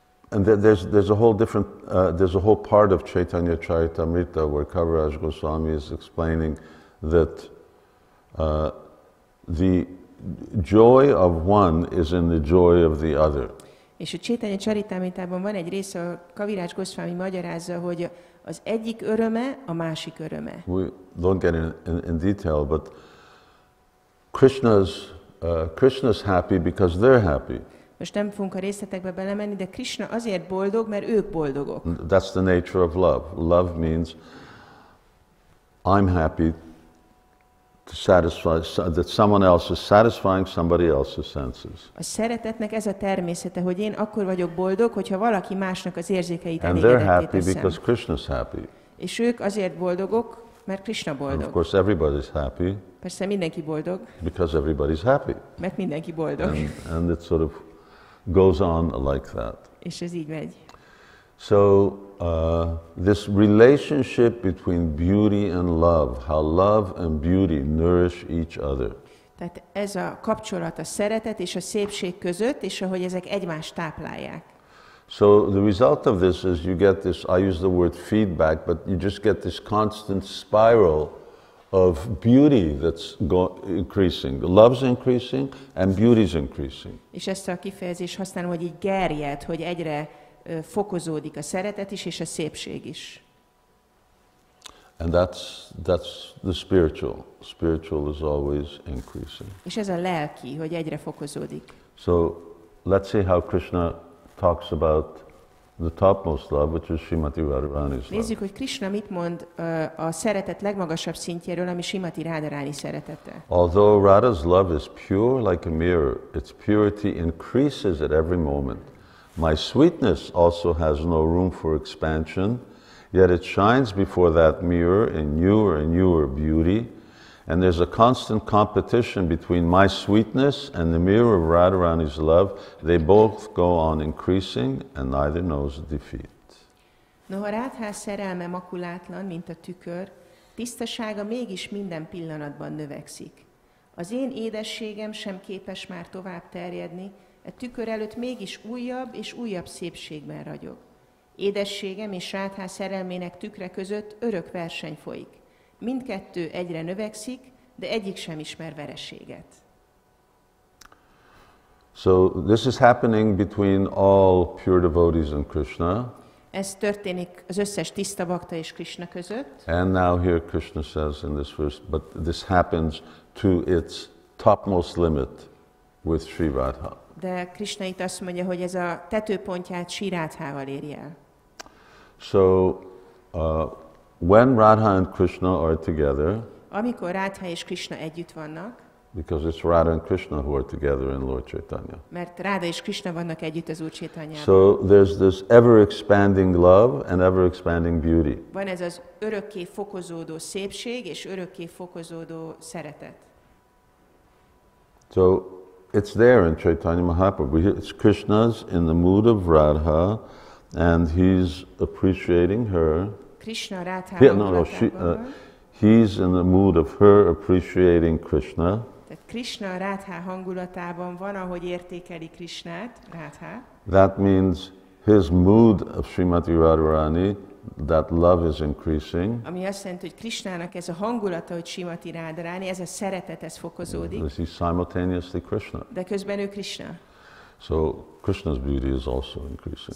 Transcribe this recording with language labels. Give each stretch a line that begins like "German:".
English: there's a whole part of Chaitanya Charitamrita where Kaviraj Goswami is explaining that the joy of one is in the joy of the other.
Hungarian: És a Chaitanya Charitamritában van egy része, a Kaviraj Goswami magyarázza, hogy az egyik öröme a másik öröme.
English: We don't get in detail, but Krishna's happy because they're happy.
Hungarian: Most nem fogunk a részletekbe belemenni, de Krishna azért boldog, mert ők boldogok.
English: That's the nature of love. Love means I'm happy to satisfy that someone else is satisfying somebody else's senses.
Hungarian: A szeretetnek ez a természete, hogy én akkor vagyok boldog, hogyha valaki másnak az érzékeit elégedetté teszem.
English: And they're happy because Krishna's happy.
Hungarian: És ők azért boldogok, mert Krishna boldog.
English: And of course everybody's happy.
Hungarian: Persze mindenki boldog.
English: Because everybody's happy.
Hungarian: Mert mindenki boldog.
English: And it sort of goes on like that.
Hungarian: És ez így megy.
English: So this relationship between beauty and love, how love and beauty nourish each other.
Hungarian: Tehát ez a kapcsolat a szeretet és a szépség között, és ahogy ezek egymást táplálják.
English: So the result of this is you get this, I use the word feedback, but you just get this constant spiral of beauty that's increasing. Love's increasing and beauty's increasing.
Hungarian: És ezt a kifejezést használom, hogy így gerjed, hogy egyre fokozódik a szeretet is és a szépség is.
English: And that's the spiritual. Spiritual is always increasing.
Hungarian: És ez a lelki, hogy egyre fokozódik.
English: So let's see how Krishna talks about the topmost love, which is Srimati Radharani's love.
Hungarian: Nézzük, hogy Krishna mit mond a szeretet legmagasabb szintjéről, ami Srimati Radharani szeretete.
English: Although Radha's love is pure like a mirror, its purity increases at every moment. My sweetness also has no room for expansion, yet it shines before that mirror in newer and newer beauty, and there's a constant competition between my sweetness and the mirror of Radharani's love. They both go on increasing, and neither knows defeat.
Hungarian: Noha Radha szerelme makulátlan, mint a tükör, tisztasága mégis minden pillanatban növekszik. Az én édességem sem képes már tovább terjedni, a tükör előtt mégis újabb és újabb szépségben ragyog. Édességem és Radha szerelmének tükre között örök verseny folyik. Mindkettő egyre növekszik, de egyik sem ismer vereséget.
English: So this is happening between all pure devotees and Krishna.
Hungarian: Ez történik az összes tiszta bhakta és Krishna között.
English: And now here Krishna says in this verse, but this happens to its topmost limit with Sri Radha.
Hungarian: De Krishna itt azt mondja, hogy ez a tetőpontját Sri Radhával éri el.
English: So, when Radha and Krishna are together,
Hungarian: amikor Radha és Krishna együtt vannak,
English: because it's Radha and Krishna who are together in Lord Chaitanya.
Hungarian: Mert Radha és Krishna vannak együtt az Úr Chaitanyában.
English: So there's this ever-expanding love and ever-expanding beauty.
Hungarian: Van ez az örökké fokozódó szépség és örökké fokozódó szeretet.
English: So, it's there in Chaitanya Mahaprabhu. It's Krishna's in the mood of Radha, And he's appreciating her.
Hungarian: Krishna rátámogatja magát.
English: He's in the mood of her appreciating Krishna.
Hungarian: Tehát Krishna Rádhá hangulatában van, ahogy értékeli Krishnát, Rádhá.
English: That means his mood of Srimati Radharani, that love is increasing.
Hungarian: Ami azt jelenti, hogy Krishnának ez a hangulata, hogy Srimati Radharani, ez a szeretet, ez fokozódik.
English: Is he simultaneously Krishna?
Hungarian: De közben ő Krishna.
English: So Krishna's beauty is also increasing.